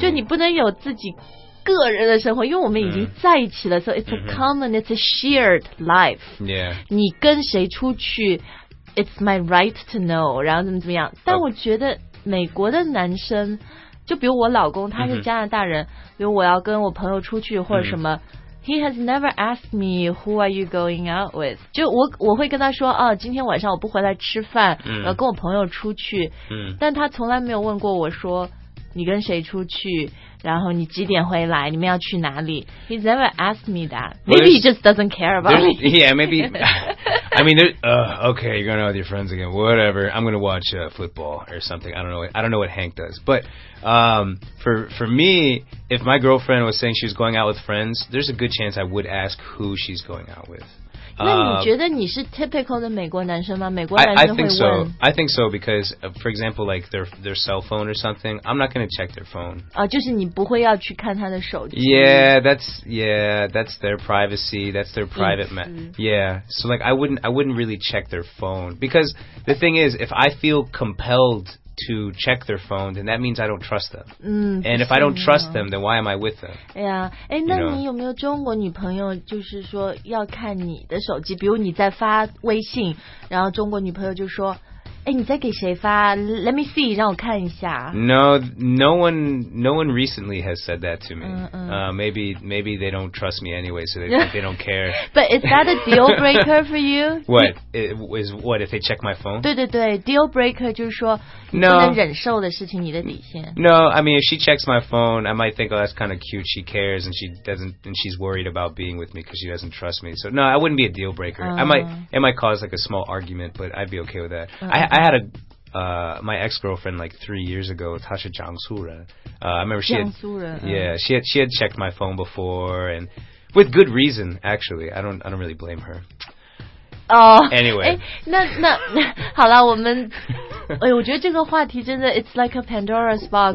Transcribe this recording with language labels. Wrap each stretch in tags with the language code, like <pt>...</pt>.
<zh>就你不能有自己个人的生活因为我们已经在一起了、mm.</zh> <en>so it's a common, it's a shared life. Yeah.</en> <zh>你跟谁出去</zh> <en>it's my right to know,</en> <zh>然后怎么样。但我觉得美国的男生就比如我老公他是加拿大人、mm-hmm. 比如我要跟我朋友出去或者什么、mm-hmm.</zh> <en>He has never asked me who are you going out with.</en> <zh>就我会跟他说啊，今天晚上我不回来吃饭，嗯、跟我朋友出去、嗯。但他从来没有问过我说你跟谁出去，然后你几点回来，你们要去哪里。</zh> <en>He's never asked me that. Maybe he just doesn't care about me. Yeah, maybe. I mean, okay, you're going out with your friends again. Whatever. I'm going to watch football or something. I don't know what Hank does, but. For me, if my girlfriend was saying she was going out with friends, there's a good chance I would ask who she's going out with.</en> <zh>那你觉得你是 typical 的美国男生吗？美国男生会问。</zh> <en>I think so because, for example, like their cell phone or something, I'm not going to check their phone.</en> <zh>啊，就是你不会要去看他的手机。</zh> <en>Yeah, that's their privacy. That's their private Yeah, so like I wouldn't really check their phone because the thing is, if I feel compelled to check their phone, then that means I don't trust them. 嗯, and if I don't trust them, then why am I with them?</en> <zh>Yeah. 哎, 那你有没有中国女朋友就是说要看你的手机，比如你在发微信，然后中国女朋友就说哎，你在给谁发 ？</zh> <en>Let me see，</en> <zh>让我看一下。</zh> <en>No one recently has said that to me. Maybe they don't trust me anyway, so they don't care. But is that a deal breaker for you? What if they check my phone?</en> <zh>对对对 ，deal breaker 就是说你不能忍受的事情，你的底线。</zh> <en>No, I mean if she checks my phone, I might think, oh, that's kind of cute. She cares and she doesn't, and she's worried about being with me because she doesn't trust me. So no, I wouldn't be a deal breaker. It might cause like a small argument, but I'd be okay with that. I had my ex-girlfriend like 3 years ago, Tasha Jiangsura. I remember she had, she had checked my phone before, and with good reason, actually. I don't really blame her. Oh, anyway.</en> <zh>那好了，我们，哎，我觉得这个话题真的</zh> <en>it's like a Pandora's box.</en>